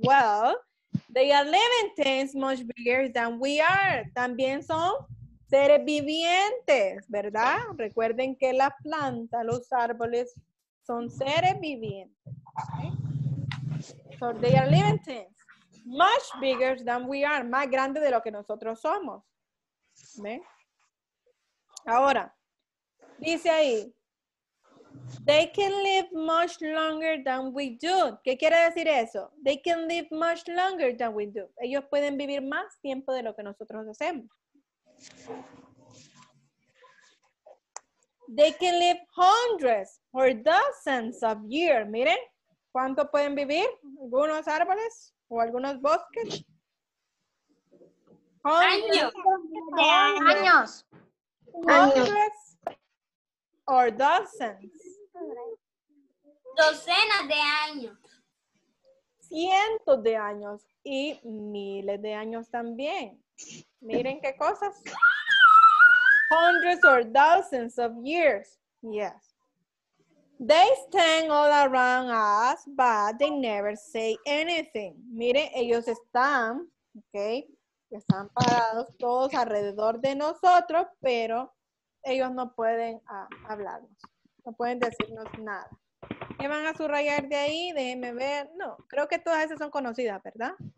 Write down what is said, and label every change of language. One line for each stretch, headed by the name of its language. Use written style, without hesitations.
English: Well, they are living things much bigger than we are.
Spanish: También son seres vivientes, ¿verdad? Recuerden que la planta, los árboles, son seres vivientes.
English: Okay? So they are living things much bigger than we are.
Spanish: Más grande de lo que nosotros somos. ¿Ve? Ahora, dice ahí,
English: they can live much longer than we do.
Spanish: ¿Qué quiere decir eso?
English: They can live much longer than we do.
Spanish: Ellos pueden vivir más tiempo de lo que nosotros hacemos.
English: They can live hundreds or dozens of years.
Spanish: Miren, ¿cuánto pueden vivir algunos árboles o algunos bosques? Años.
English: Hundreds or dozens.
Spanish: Docenas de años. Cientos de años y miles de años también. Miren qué cosas.
English: Hundreds or dozens of years. Yes. They stand all around us, but they never say anything.
Spanish: Miren, ellos están, okay, están parados todos alrededor de nosotros, pero ellos no pueden hablarnos. No pueden decirnos nada. ¿Qué van a subrayar de ahí? Déjenme ver. No, creo que todas esas son conocidas, ¿verdad?